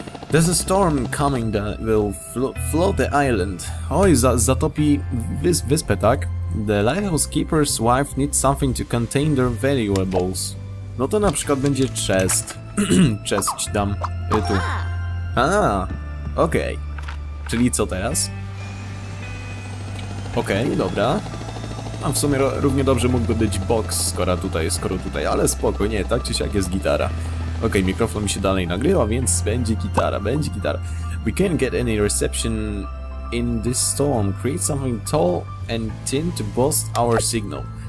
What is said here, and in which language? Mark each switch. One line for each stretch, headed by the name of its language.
English: There's a storm coming that will float the island.
Polish: Oj, zatopi wyspę, tak?
English: The lighthouse keeper's wife needs something to contain their valuables.
Polish: No to na przykład będzie chest. Chest ci dam. Tu. Okej. Czyli co teraz? Okej, dobra. A w sumie równie dobrze mógłby być box, skoro tutaj, ale spoko, nie, tak czy siak jest gitara. Okej, mikrofon mi się dalej nagrywa, więc będzie gitara.
English: We can't get any reception in this storm. Create something tall and thin to boost our signal.